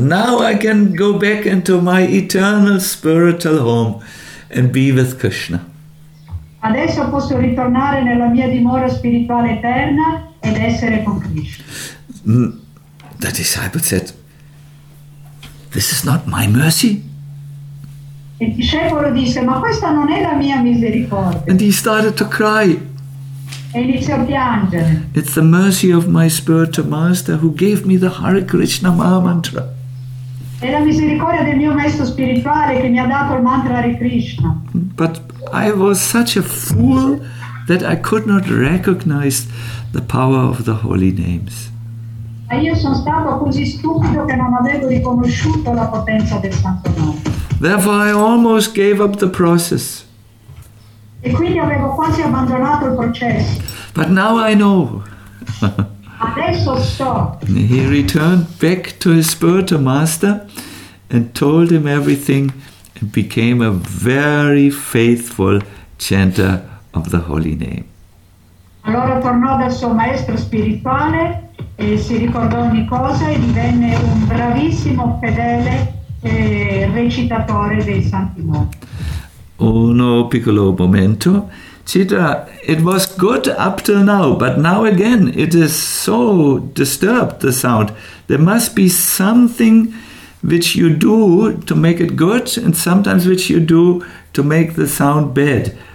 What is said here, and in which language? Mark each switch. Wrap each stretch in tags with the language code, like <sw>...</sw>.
<en>Now I can go back into my eternal spiritual home and be with Krishna.</en> <it>Adesso posso ritornare nella mia dimora spirituale eterna ed essere con Krishna.</it> <en>The disciple said, this is not my mercy.</en> <it>Il discepolo disse, ma questa non è la mia misericordia.</it> <en>And he started to cry.</en> <it>E iniziò a piangere.</it> <en>It's the mercy of my spiritual master who gave me the Hare Krishna Mahamantra.</en> <it>È la misericordia del mio maestro spirituale che mi ha dato il mantra Hare Krishna.</it> <en>But I was such a fool that I could not recognize the power of the holy names.</en> <it>Io sono stato così stupido che non avevo riconosciuto la potenza del Santo Nome.</it> <en>Therefore, I almost gave up the process.</en> <it>E quindi avevo quasi abbandonato il processo.</it> <en>But now I know.</en> <it>Adesso so.</it> <en>He returned back to his spiritual master and told him everything and became a very faithful chanter of the holy name.</en> <it>Allora tornò dal suo maestro spirituale e si ricordò ogni cosa e divenne un bravissimo fedele recitatore dei santi nomi. Uno piccolo momento.</it> <en>Citra, it was good up till now, but now again it is so disturbed, the sound. There must be something which you do to make it good and sometimes which you do to make the sound bad.</en>